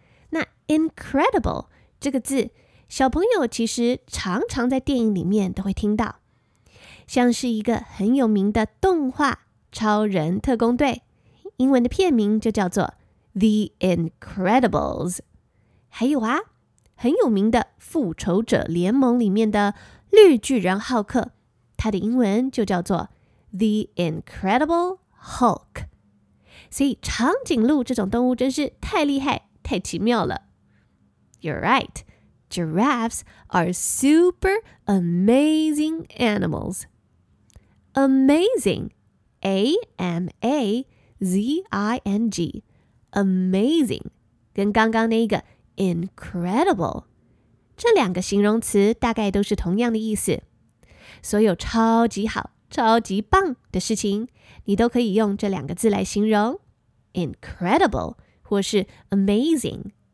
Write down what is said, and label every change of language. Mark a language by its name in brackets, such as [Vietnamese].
[Chinese] 那 incredible 这个字，小朋友其实常常在电影里面都会听到，像是一个很有名的动画《超人特工队》，英文的片名就叫做The Incredibles， 还有啊，很有名的复仇者联盟里面的绿巨人浩克，他的英文就叫做 The Incredible Hulk。所以长颈鹿这种动物真是太厉害，太奇妙了。 [English] You're right, giraffes are super amazing animals. [Chinese] Amazing, A-M-A-Z-I-N-GAmazing 跟刚刚那一个 incredible 这两个形容词大概都是同样的意思，所有超级好超级棒的事情你都可以用这两个字来形容， incredible 或是 amazing。